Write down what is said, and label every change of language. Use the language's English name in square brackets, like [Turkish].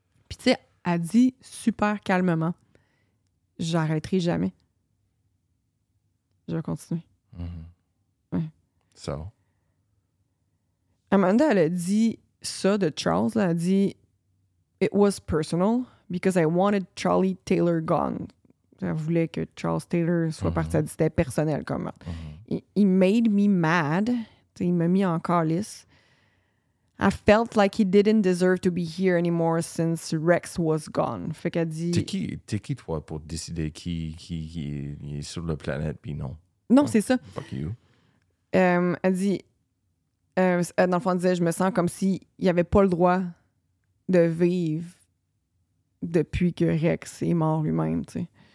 [French] Puis tu sais, elle dit super calmement, j'arrêterai jamais. Je vais continuer. Mm-hmm. Ouais. [English] So? [French] Amanda, elle a dit ça de Charles. Elle a dit... [English] It was personal because I wanted Charlie Taylor gone. [French] Elle voulait que Charles Taylor soit parti. Mm-hmm. C'était personnel comme meurtre. Mm-hmm. [English] He made me mad. [French] T'sais, il m'a mis en calice. [English] I felt like he didn't deserve to be here anymore since Rex was gone. [French] Fait qu'elle dit. T'es qui toi pour décider qui est sur la planète puis non? Non, c'est ça. [English] Fuck you. [French] Elle dit. Dans le fond, elle disait, je me sens comme s'il n'y avait pas le droit de vivre depuis que Rex est mort lui-même, tu sais.